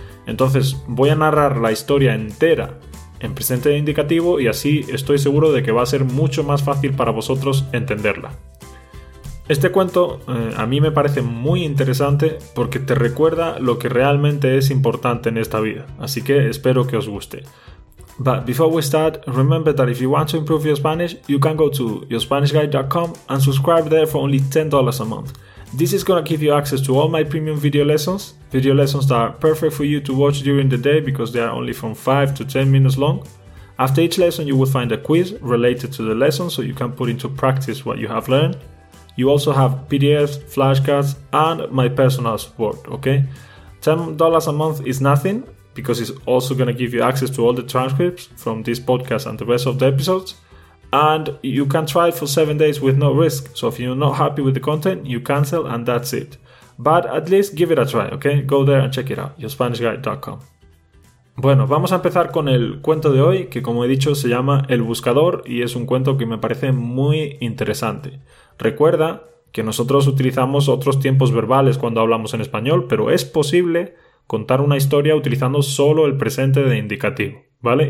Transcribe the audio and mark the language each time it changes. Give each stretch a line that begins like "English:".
Spanish: Entonces voy a narrar la historia entera en presente de indicativo y así estoy seguro de que va a ser mucho más fácil para vosotros entenderla. Este cuento a mí me parece muy interesante porque te recuerda lo que realmente es importante en esta vida, así que espero que os guste.
English: But before we start, remember that if you want to improve your Spanish, you can go to yourspanishguide.com and subscribe there for only $10 a month. This is going to give you access to all my premium video lessons that are perfect for you to watch during the day because they are only from 5 to 10 minutes long. After each lesson, you will find a quiz related to the lesson so you can put into practice what you have learned. You also have PDFs, flashcards, and my personal support, okay? $10 a month is nothing, because it's also going to give you access to all the transcripts from this podcast and the rest of the episodes. And you can try it for 7 days with no risk. So if you're not happy with the content, you cancel and that's it. But at least give it a try, okay? Go there and check it out, yourspanishguide.com.
Spanish: Bueno, vamos a empezar con el cuento de hoy, que como he dicho se llama El Buscador y es un cuento que me parece muy interesante. Recuerda que nosotros utilizamos otros tiempos verbales cuando hablamos en español, pero es posible contar una historia utilizando solo el presente de indicativo, ¿vale?